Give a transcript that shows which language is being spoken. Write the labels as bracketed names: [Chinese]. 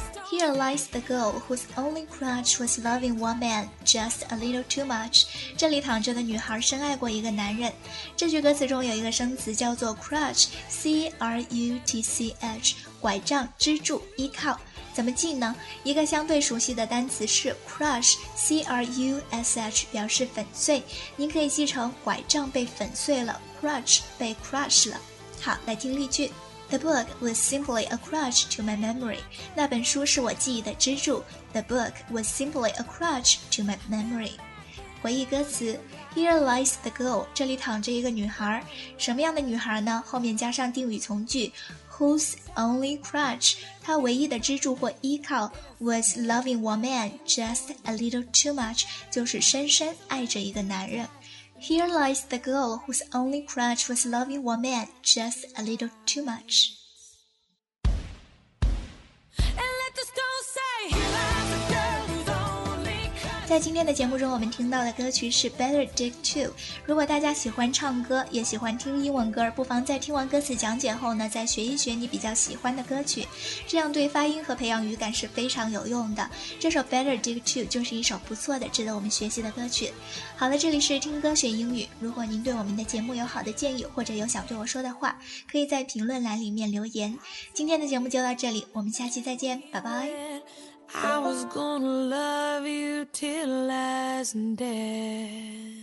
[English] Here lies the girl whose only crutch was loving one man just a little too much. [Chinese] 这里躺着的女孩深爱过一个男人。这句歌词中有一个生词叫做 crutch, C-R-U-T-C-H, 拐杖、支柱、依靠。怎么记呢？一个相对熟悉的单词是 crush, C-R-U-S-H, 表示粉碎。您可以记成拐杖被粉碎了， crutch 被 crush 了。好，来听例句。 [English] The book was simply a crutch to my memory. [Chinese] 那本书是我记忆的支柱。 [English] The book was simply a crutch to my memory. [Chinese] 回忆歌词 [English] Here lies the girl. [Chinese] 这里躺着一个女孩。什么样的女孩呢？后面加上定语从句 [English] Whose only crutch, 她唯一的支柱或依靠 was loving one man just a little too much, [Chinese] 就是深深爱着一个男人。 [English] Here lies the girl whose only crutch was loving one man just a little too much. And let the stone say, here lies the girl whose only crutch. [Chinese] 在今天的节目中我们听到的歌曲是 Better Dig 2。如果大家喜欢唱歌也喜欢听英文歌，不妨在听完歌词讲解后呢，再学一学你比较喜欢的歌曲，这样对发音和培养语感是非常有用的。这首 Better Dig 2就是一首不错的值得我们学习的歌曲。好了，这里是听歌学英语，如果您对我们的节目有好的建议或者有想对我说的话，可以在评论栏里面留言。今天的节目就到这里，我们下期再见，拜拜。 [English] I was gonna love you till last day.